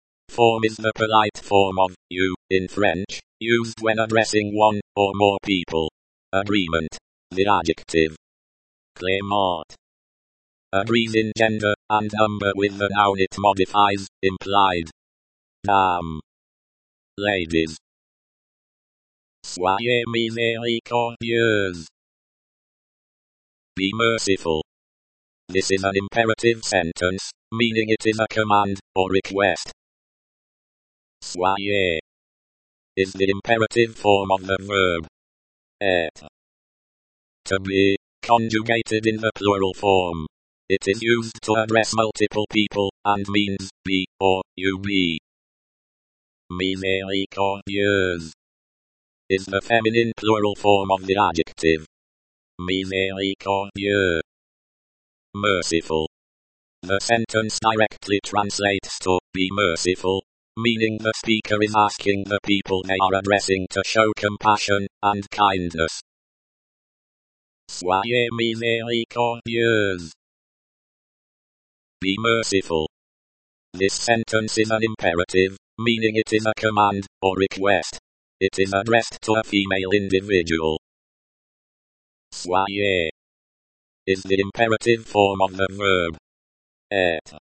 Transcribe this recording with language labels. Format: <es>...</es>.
<en>Form is the polite form of you in French, used when addressing one or more people. Agreement. The adjective clément agrees in gender and number with the noun it modifies, implied. Dames. Ladies.</en> <fr>Soyez miséricordieuse.</fr> <en>Be merciful. This is an imperative sentence, meaning it is a command or request. Soyez is the imperative form of the verb être. To be, conjugated in the plural form. It is used to address multiple people and means be or you be. Miséricordieuse is the feminine plural form of the adjective miséricordieux. Merciful. The sentence directly translates to be merciful, meaning the speaker is asking the people they are addressing to show compassion and kindness.</en> <fr>Soyez miséricordieuse.</fr> <en>Be merciful. This sentence is an imperative, meaning it is a command or request. It is addressed to a female individual. Soyez is the imperative form of the verb être.</en>